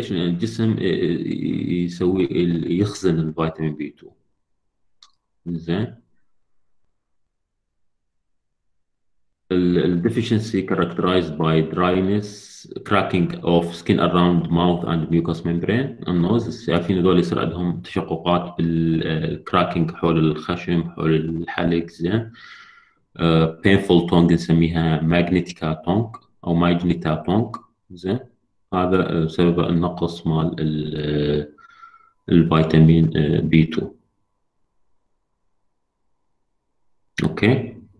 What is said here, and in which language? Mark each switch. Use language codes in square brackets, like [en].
[ar] ليش؟ لان الجسم يسوي يخزن الفيتامين بي 2. زين [en] ال deficiency characterized by dryness, cracking of skin around mouth and mucous membrane and nose. [ar] شايفين هذول يصير عندهم تشققات بالcracking حول الخشم، حول الحلق. زين [en] painful tongue نسميها magnetica tongue او magneta tongue. [ar] زين هذا سبب النقص مال الفيتامين بي 2. اوكي